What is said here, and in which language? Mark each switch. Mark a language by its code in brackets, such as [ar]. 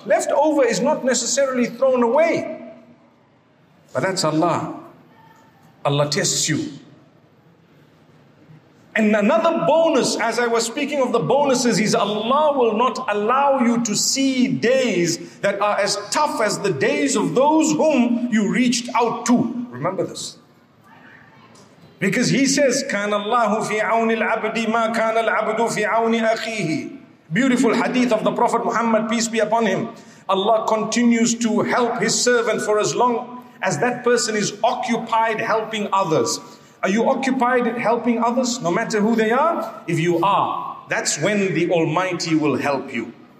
[en] Left over is not necessarily thrown away. But that's Allah. Allah tests you. And another bonus, as I was speaking of the bonuses, is Allah will not allow you to see days that are as tough as the days of those whom you reached out to. Remember this. [ar] Because he says, كَانَ اللَّهُ فِي عَوْنِ الْعَبْدِ مَا كَانَ الْعَبْدُ فِي عَوْنِ أَخِيهِ. [en] Beautiful hadith of the Prophet Muhammad, peace be upon him. Allah continues to help his servant for as long as that person is occupied helping others. Are you occupied helping others, no matter who they are? If you are, that's when the Almighty will help you.